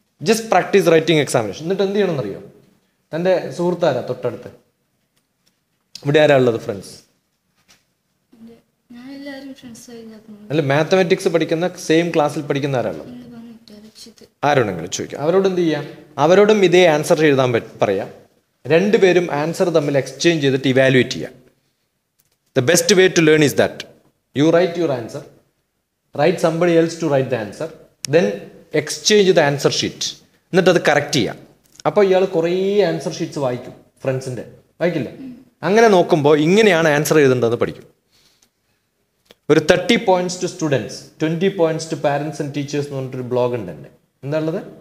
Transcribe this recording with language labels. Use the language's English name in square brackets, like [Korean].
[English] Just practise writing examination. [Malayalam] എന്നിട്ട് എന്ത് ചെയ്യണം എന്നറിയോ? തൻ്റെ സുഹൃത്തായ തൊട്ടടുത്ത് ഇവിടെ ആരാ ഉള്ളത്? ഫ്രണ്ട്സ്. അല്ല, മാത്തമാറ്റിക്സ് പഠിക്കുന്ന സെയിം ക്ലാസ്സിൽ പഠിക്കുന്ന ആരാണോ? ആരോടെങ്കിലും ചോദിക്കാം. അവരോട് എന്ത് ചെയ്യാം? അവരോടും ഇതേ ആൻസർ എഴുതാൻ പറയാം. രണ്ടുപേരും ആൻസർ തമ്മിൽ എക്സ്ചേഞ്ച് ചെയ്തിട്ട് ഇവാലുവേറ്റ് ചെയ്യാം. [English] The best way to learn is that you write your answer, write somebody else to write the answer, then exchange the answer sheet. [Malayalam] എന്നിട്ട് അത് കറക്റ്റ് ചെയ്യുക. അപ്പോൾ ഇയാൾ കുറേ ആൻസർ ഷീറ്റ്സ് വായിക്കും ഫ്രണ്ട്സിൻ്റെ. വായിക്കില്ല. അങ്ങനെ നോക്കുമ്പോൾ ഇങ്ങനെയാണ് ആൻസർ എഴുതേണ്ടതെന്ന് പഠിക്കും. ഒരു [English] 30 points to students, 20 points to parents and teachers [Malayalam] എന്ന് പറഞ്ഞിട്ടൊരു ബ്ലോഗ് ഉണ്ട് എൻ്റെ. എന്താ ഉള്ളത്?